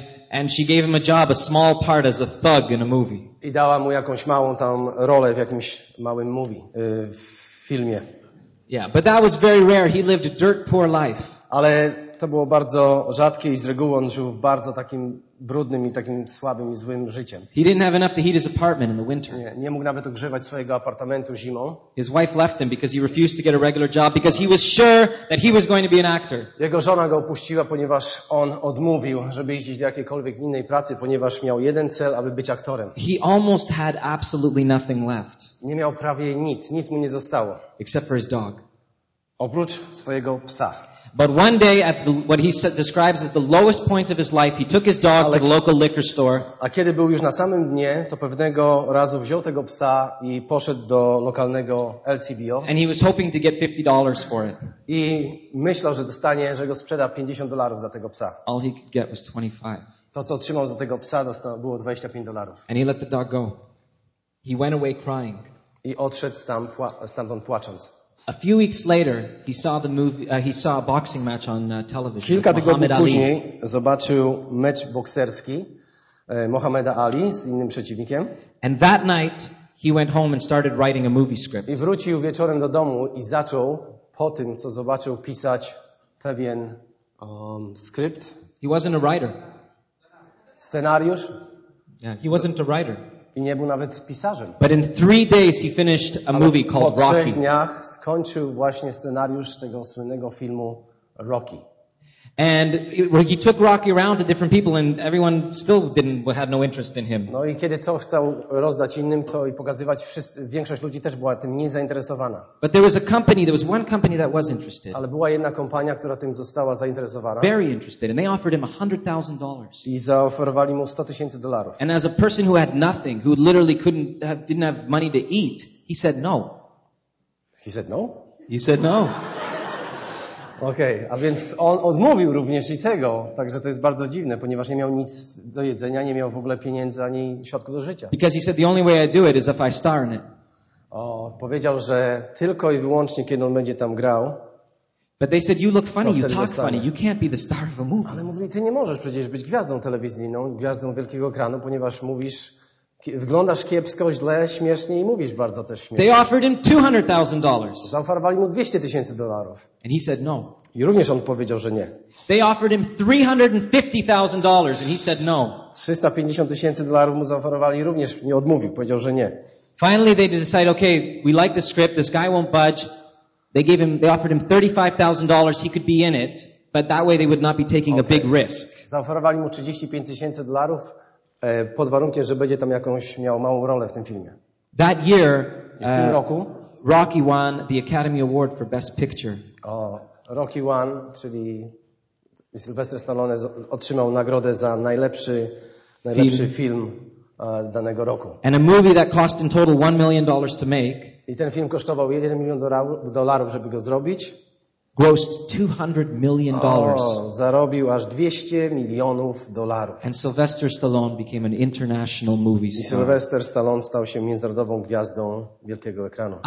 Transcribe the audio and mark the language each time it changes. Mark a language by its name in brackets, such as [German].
[English] And she gave him a job, a small part as a thug in a movie. [Polish] I dała mu jakąś małą tam rolę w jakimś małym movie, w filmie. [English] Yeah, but that was very rare. He lived a dirt poor life. [Polish] Ale to było bardzo rzadkie i z reguły on żył w bardzo takim brudnym i takim słabym i złym życiem. [English] He didn't have enough to heat his apartment in the winter. [Polish] Nie mógł nawet ogrzewać swojego apartamentu zimą. [English] His wife left him because he refused to get a regular job because he was sure that he was going to be an actor. [Polish] Jego żona go opuściła, ponieważ on odmówił, żeby iść do jakiejkolwiek innej pracy, ponieważ miał jeden cel, aby być aktorem. [English] He almost had absolutely nothing left. [Polish] Nie miał prawie nic, nic mu nie zostało. [English] Except for his dog. [Polish] Oprócz swojego psa. [English] But one day at what he describes as the lowest point of his life, he took his dog to the local liquor store. [Polish] A kiedy był już na samym dnie, to pewnego razu wziął tego psa i poszedł do lokalnego LCBO. [English] And he was hoping to get $50 for it. [Polish] I myślał, że dostanie, że go sprzeda $50 za tego psa. [English] All he could get was 25. [Polish] To co otrzymał za tego psa, dostał było $25. [English] And he let the dog go. He went away crying. [Polish] I odszedł stamtąd płacząc. [English] A few weeks later, he saw the movie. He saw a boxing match on television. [Polish] Kilka tygodni później zobaczył mecz bokserski Mohameda Ali z innym przeciwnikiem. [English] And that night, he went home and started writing a movie script. [Polish] I wrócił wieczorem do domu i zaczął po tym, co zobaczył, pisać pewien skrypt. [English] He wasn't a writer. [Polish] Scenariusz. [English] Yeah, he wasn't a writer. [Polish] I nie był nawet pisarzem. [English] But in 3 days he finished a movie called Rocky. [Polish] Po 3 dniach skończył właśnie scenariusz tego słynnego filmu Rocky. [English] And he took Rocky around to different people and everyone still didn't had no interest in him. [Polish] No i kiedy to chciał rozdać innym to i pokazywać wszyscy, większość ludzi też była tym nie zainteresowana. [English] But there was a company, there was one company that was interested. [Polish] Ale była jedna kompania, która tym została zainteresowana. [English] Very interested and they offered him $100,000. [Polish] I zaoferowali mu $100,000. [English] And as a person who had nothing, who literally couldn't have, didn't have money to eat, he said no. He said no? He said no. [Polish] Okej, okay, a więc on odmówił również i tego, także to jest bardzo dziwne, ponieważ nie miał nic do jedzenia, nie miał w ogóle pieniędzy ani środków do życia. [English] Because he said the only way I do it is if I star in it. [Polish] O, powiedział, że tylko i wyłącznie kiedy on będzie tam grał. [English] But they said you look funny, you talk funny, you can't be the star of a movie. [Polish] Ale mówili, ty nie możesz przecież być gwiazdą telewizyjną, gwiazdą wielkiego ekranu, ponieważ mówisz, wyglądasz kiepsko, źle, śmiesznie i mówisz bardzo też śmiesznie. [English] They offered him $200,000. [Polish] Zaoferowali mu $200,000. [English] And he said no. [Polish] I również on powiedział, że nie. [English] They offered him $350,000 and he said no. [Polish] $350,000 mu zaoferowali i również nie odmówił, powiedział, że nie. [English] Finally they decide, okay, we like the script, this guy won't budge. They offered him $35,000, he could be in it, but that way they would not be taking a big risk. [Polish] Zaoferowali mu $35,000. Pod warunkiem, że będzie tam jakąś miał małą rolę w tym filmie. [English] That year, [Polish] w tym roku [English] Rocky won the Academy Award for Best Picture. [Polish] O, [English] Rocky won, [Polish] czyli Sylvester Stallone otrzymał nagrodę za najlepszy film danego roku. [English] And a movie that cost in total $1 million to make. [Polish] I ten film kosztował $1 million, żeby go zrobić. [English] Grossed $200 million. [Polish] Zarobił aż 200 milionów dolarów. [English] And Sylvester Stallone became an international movie star. [Polish] I Sylvester Stallone stał się międzynarodową gwiazdą wielkiego ekranu.